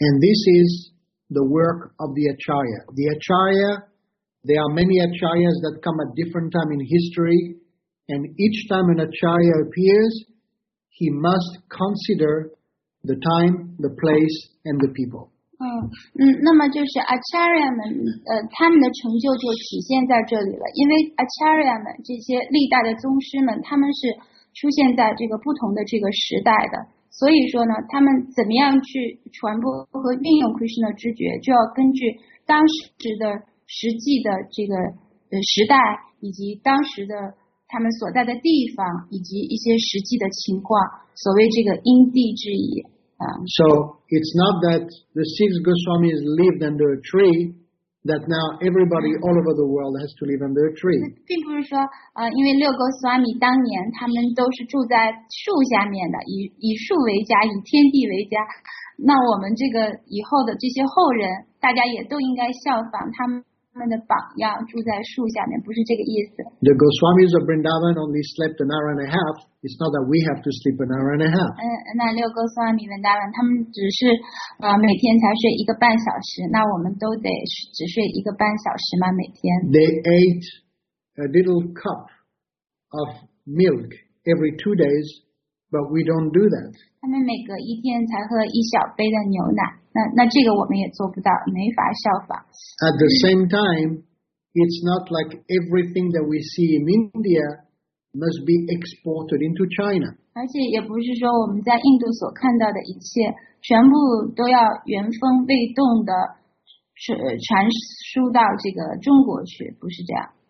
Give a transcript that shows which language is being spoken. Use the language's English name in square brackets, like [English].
[English] And this is the work of the Acharya. The Acharya, there are many Acharyas that come at different time in history, and each time an Acharya appears, he must consider the time, the place, and the people. [Chinese] 那么就是 Acharya 们，他们的成就就体现在这里了，因为 Acharya 们这些历代的宗师们，他们是出现在这个不同的这个时代的，所以说呢，他们怎么样去传播和运用 Krishna 的知觉，就要根据当时的实际的这个时代，以及当时的他们所在的地方，以及一些实际的情况，所谓这个因地制宜。 [English] So it's not that the six Goswamis lived under a tree, that now everybody all over the world has to live under a tree. [Chinese] 并不是说，因为六 Goswami 当年他们都是住在树下面的，以树为家，以天地为家。那我们这个以后的这些后人，大家也都应该效仿他们的榜样，住在树下面，不是这个意思。 [English] The Goswamis of Vrindavan only slept an hour and a half. It's not that we have to sleep an hour and a half. [Chinese] 那六 Goswami Vrindavan 他们只是每天才睡一个半小时，那我们都得只睡一个半小时吗？每天 [English] ？They ate a little cup of milk every 2 days, but we don't do that. [Chinese] 他们每隔一天才喝一小杯的牛奶。那这个我们也做不到，没法效仿。 [English] At the same time, it's not like everything that we see in India must be exported into China. [Chinese] 而且也不是说我们在印度所看到的一切全部都要原封未动的传输到这个中国去，不是这样。